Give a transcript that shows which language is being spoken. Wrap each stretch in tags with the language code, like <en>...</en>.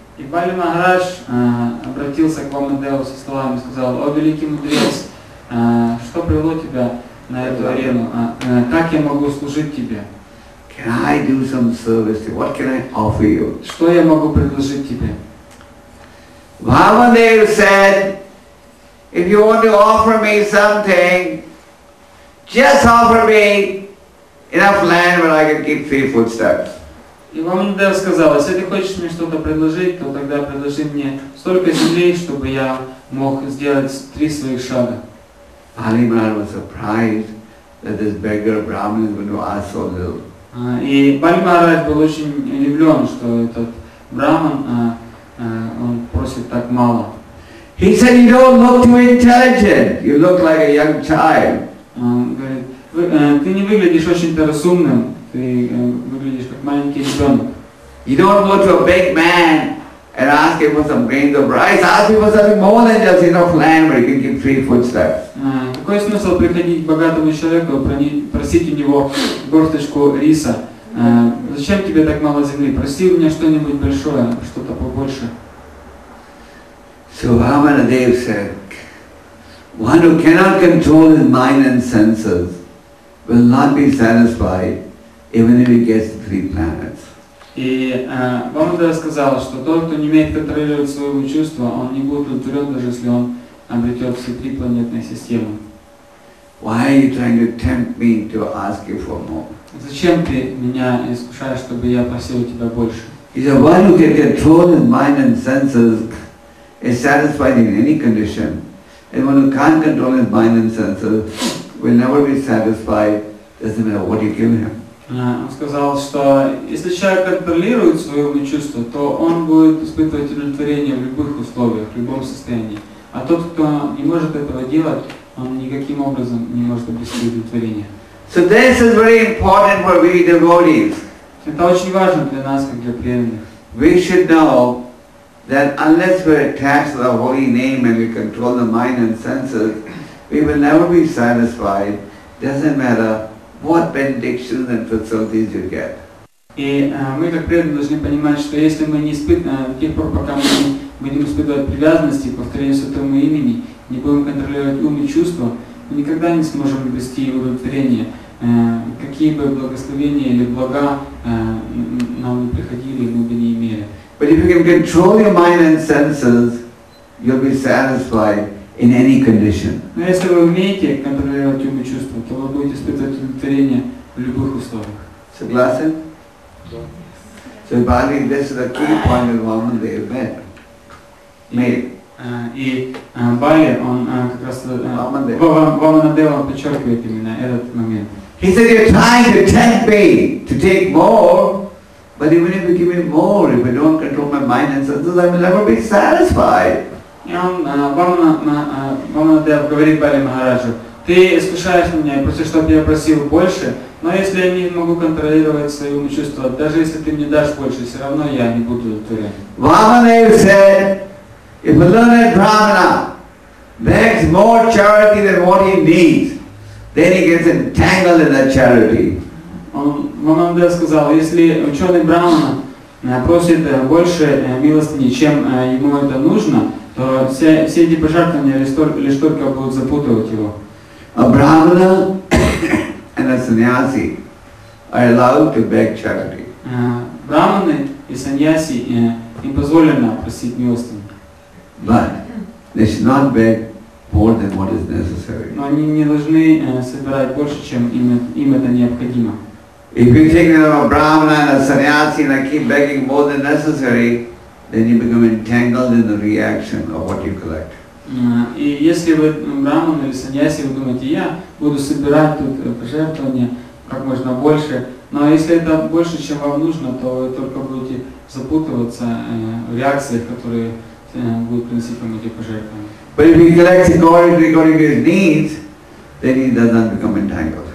<ru>И Бали Махарадж обратился к Вамандеву со словами и сказал: "О великий мудрец, что привело тебя на эту арену? Как я могу служить тебе?"</ru> <en>Can I do some service? What can I offer you?</en> <ru>Что я могу предложить тебе?</ru> <en>Vamandev said, "If you want to offer me something, just offer me enough land where I can keep 3 footsteps."</en> <ru>И Vamandev сказал: "Если ты хочешь мне что-то предложить, то тогда предложи мне столько земли, чтобы я мог сделать 3 своих шага."</ru> <en>Bali Maharaj was surprised that this beggar Brahmin is going to ask so little.</en> <ru>И Бали Махарадж был очень удивлен, что этот Брахман, он просит так мало.</ru> <en>He said, "You don't look too intelligent. You look like a young child."</en> <ru>Говорит, ты не выглядишь очень разумным, ты выглядишь как маленький ребенок.</ru> <en>You don't go to a big man and ask him for some grains of rice. Ask him for something more than just enough land where you can keep 3 footsteps.</en> <ru>Какой смысл приходить к богатому человеку, просить у него горсточку риса? Зачем тебе так мало земли? Проси у меня что-нибудь большое, что-то побольше.</ru> <en>So Vamanadev said, "One who cannot control his mind and senses will not be satisfied even if he gets 3 planets.</en> <ru>И Вамандев сказал, что тот, кто не умеет контролировать свои чувства, он не будет удовлетворен, даже если он обретет все 3 планетные системы.</ru> <en>Why are you trying to tempt me to ask you for more?</en> <ru>Зачем ты меня искушаешь, чтобы я просил у тебя больше?</ru> <en>He said, "One who can control his mind and senses is satisfied in any condition, and one who can't control his mind and senses will never be satisfied, doesn't matter what you give him."</en> <ru>Он сказал, что если человек контролирует свои умы и чувства, то он будет испытывать удовлетворение в любых условиях, в любом состоянии. А тот, кто не может этого делать, он никаким образом не может обрести удовлетворение.</ru> <en>So this is very important for we devotees.</en> <ru>Это очень важно для нас, как для преданных.</ru> <en>We should know that unless we attach the holy name and we control the mind and senses, we will never be satisfied. Doesn't matter what benedictions and facilities you get.</en> <ru>И мы как преданные должны понимать, что если мы не испытываем, тех пор, пока мы не будем испытывать привязанности, повторение святого имени, не будем контролировать ум и чувства, мы никогда не сможем обрести удовлетворение, какие бы благословения или блага нам не приходили, мы бы не имели.</ru> <en>But if you can control your mind and senses, you'll be satisfied in any condition.</en> <ru>Но если вы умеете контролировать ум и чувства, то вы будете испытывать удовлетворение в любых условиях. Согласен?</ru> <en>So Bali, this is the key point of Vamandev met.</en> <ru>Vamanadev подчеркивает именно этот момент.</ru> <en>He said, "You're trying to tempt me to take more, but even if you give me more, if I don't control my mind and senses, I will never be satisfied."</en> <ru>Vamanadev говорит Бали Махараджу: "Ты искушаешь меня и просишь, чтобы я просил больше, но если я не могу контролировать свои умы и чувства, даже если ты мне дашь больше, все равно я не буду удовлетворен."</ru> <en>Vamanadev said, If a learned brahmana begs more charity than what he needs, then he gets entangled in that charity.</en> <ru>Вона де сказала, если ученый брахмана просит больше милостыни, чем ему это нужно, то все эти пожертвования лишь только будут запутывать его.</ru> <en>A brahmana and a sannyasi are allowed to beg charity.</en> <ru>Брахманы и сannyasi им позволено просить милостыни.</ru> <en>But they should not beg more than what is necessary.</en> <ru>Но они не должны собирать больше, чем им это необходимо.</ru> <en>If you take a brahmana and a sannyasi and I keep begging more than necessary, then you become entangled in the reaction of what you collect.</en> <ru>И если вы брахман или сannyasi, вы думаете, я буду собирать тут пожертвования как можно больше, но если это больше, чем вам нужно, то вы только будете запутываться в реакциях, которые будут приносить вам эти пожертвования.</ru> <en>But if you collect according to his needs, then he does not become entangled.</en>